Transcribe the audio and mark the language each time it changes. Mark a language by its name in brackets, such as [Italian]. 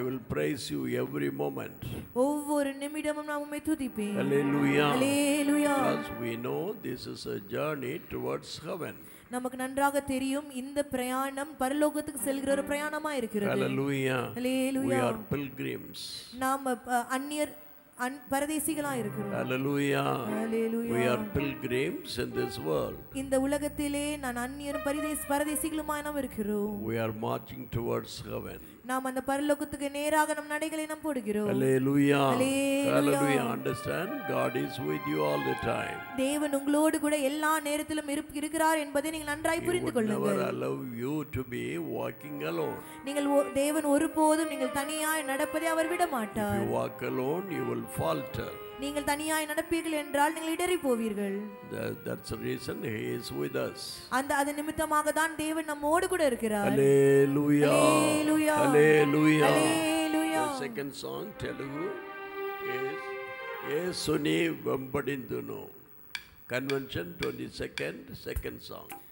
[English] Praise you every moment. [Tamil] ஒவ்வொரு நிமிடமும் நாம் உம்மை துதிப்பேன். [English] Hallelujah. Hallelujah. As we know, this is a journey towards heaven. [Tamil] நமக்கு நன்றாக தெரியும் இந்த பிரயாணம் பரலோகத்துக்கு செல்கிற ஒரு பிரயாணமா இருக்கிறது. [English] Hallelujah. Hallelujah. We are pilgrims. [Tamil] நாம் அந்நியர் பரதேசிகளாக இருக்கிறோம். [English] Hallelujah. Hallelujah. We are pilgrims in this world. [Tamil] இந்த உலகத்திலே நான் அந்நியரும் பரதேசிகளுமாய் நாம் இருக்கிறோம். [English] We are marching towards heaven. [Tamil] நாம் அந்த பரலோகத்துக்கு நேராக நம் நடைகளை நாம் போடுகிறோம். [English] Hallelujah. Hallelujah. Understand, God is with you all the time. [Tamil] தேவன் உங்களோடு கூட எல்லா நேரத்திலும் இருக்கிறார் என்பதை நீங்கள் நன்றாய் புரிந்து கொள்ளுங்கள். [English] He would never allow you to be walking alone. [Tamil] நீங்கள் தேவன் ஒருபோதும் நீங்கள் தனியாய் நடப்பதை அவர் விட மாட்டார். [English] If you walk alone, you will falter. [Tamil] நீங்கள் தனியாய் நடப்பீர்கள் என்றால் நீங்கள் இடறி போவீர்கள். [English] That's the reason he is with us. [Tamil] அந்த அது நிமித்தமாக தான் தேவன் நம்மோடு கூட இருக்கிறார். [English] Hallelujah. Hallelujah. Hallelujah. Hallelujah. The second song Telugu is Yesuni Vembadindunu. Convention 22nd, second song.